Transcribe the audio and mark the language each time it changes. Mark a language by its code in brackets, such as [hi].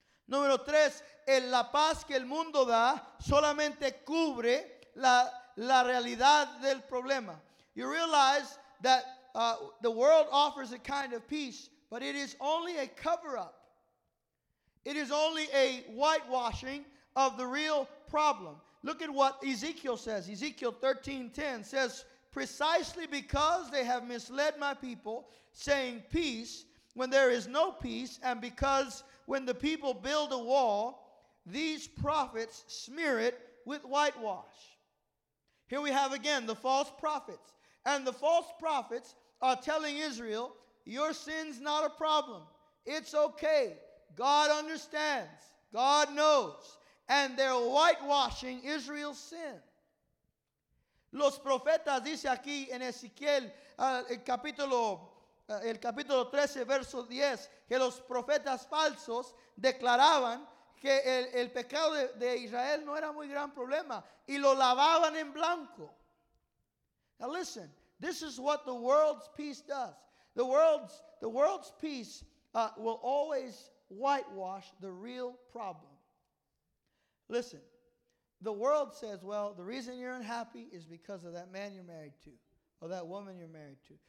[es] Número tres, la paz que el mundo da solamente cubre la realidad del problema. [en] You realize that the world offers a kind of peace, but it is only a cover-up. It is only a whitewashing of the real problem. Look at what Ezekiel says. Ezekiel 13:10 says, precisely because they have misled my people, saying peace when there is no peace, and because when the people build a wall, these prophets smear it with whitewash. Here we have again the false prophets. And the false prophets are telling Israel, your sin's not a problem. It's okay. God understands. God knows. And they're whitewashing Israel's sin. [es] Los profetas, dice aquí en Ezequiel, el capítulo 13, verso 10, que los profetas falsos declaraban que el pecado de Israel no era muy gran problema, y lo lavaban en blanco. [en] Now listen, this is what the world's peace does. The world's peace will always whitewash the real problem. Listen, the world says, well, the reason you're unhappy is because of that man you're married to, or that woman you're married to.